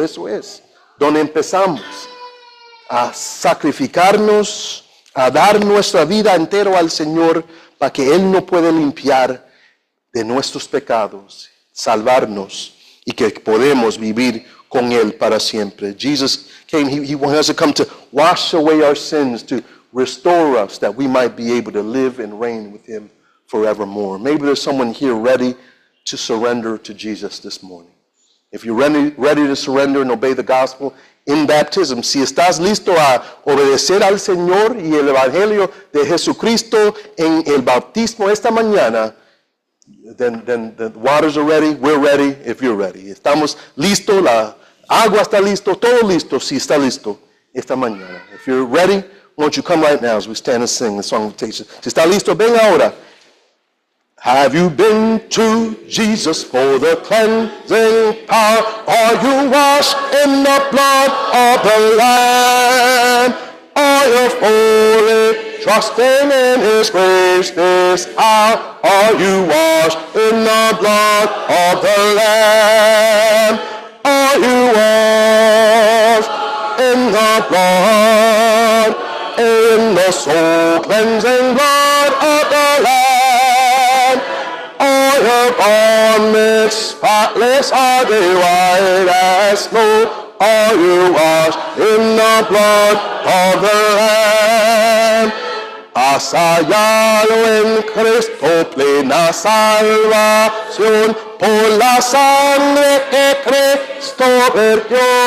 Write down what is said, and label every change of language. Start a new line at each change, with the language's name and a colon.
Spanish: Eso es donde empezamos a sacrificarnos, a dar nuestra vida entera al Señor para que Él nos pueda limpiar de nuestros pecados, salvarnos y que podemos vivir con Él para siempre.
English: Jesus came, he wants to come to wash away our sins, to restore us that we might be able to live and reign with him forevermore. Maybe there's someone here ready to surrender to Jesus this morning. If you're ready to surrender and obey the gospel in baptism,
Spanish: si estás listo a obedecer al Señor y el Evangelio de Jesucristo en el bautismo esta mañana,
English: then the waters are ready, we're ready if you're ready.
Spanish: Estamos listo, la agua está listo, todo listo si está listo esta mañana.
English: If you're ready, won't you come right now as we stand and sing the song of invitation?
Spanish: Si está listo, ven ahora.
English: Have you been to Jesus for the cleansing power? Are you washed in the blood of the Lamb? Are you fully trusting in his grace this hour? Are you washed in the blood of the Lamb? Are you washed in the blood? In the soul cleansing blood of the Lamb, all your garments spotless are they, white as snow, are you washed in the blood of the Lamb.
Spanish: Has hallado en Cristo plena salvación por la sangre que Cristo vertió.